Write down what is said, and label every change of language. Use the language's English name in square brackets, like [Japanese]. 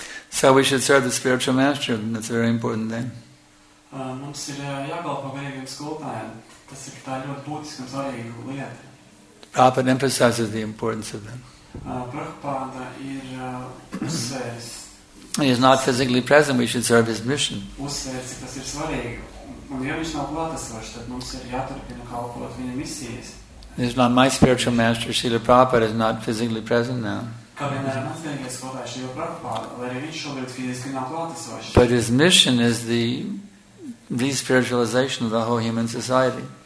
[English] So we should serve the spiritual master. That's a very important thing. [Latvian] mums ir jākalpo garīgiem skolotājiem. Tas ir tā ļoti būtiska un svarīga lieta. [English] Prabhupāda emphasizes the importance of them. [Latvian] Prabhupāda ir uzsvērs. [English] He is not physically present, we should serve his mission. [Latvian] Uzsvērs, tas ir svarīgi. Un ja viņš nav klātesošs, tad mums ir jāturpina kalpot viņa misijas. [English] This is not my spiritual master, Srila Prabhupada is not physically present now. But his mission is the re-spiritualization of the whole human society.